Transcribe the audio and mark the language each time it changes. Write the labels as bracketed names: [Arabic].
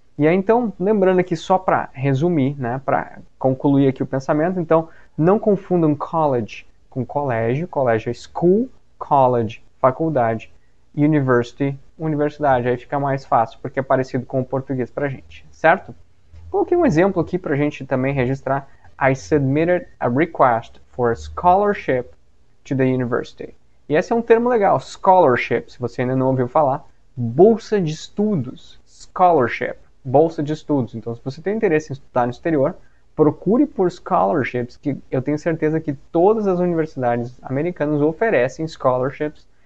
[Portuguese] E aí, então, lembrando aqui só para resumir, né, para concluir aqui o pensamento, então, não confundam college com colégio. Colégio é school, college, faculdade, university, universidade. Aí fica mais fácil, porque é parecido com o português para a gente, certo? Coloquei um exemplo aqui para a gente também registrar. [English] I submitted a request for a scholarship to the university. [Portuguese] E esse é um termo legal, scholarship, se você ainda não ouviu falar. Bolsa de estudos, scholarship. Bolsa de estudos. Então, se você tem interesse em estudar no exterior, procure por scholarships, que eu tenho certeza que todas as universidades americanas oferecem scholarships.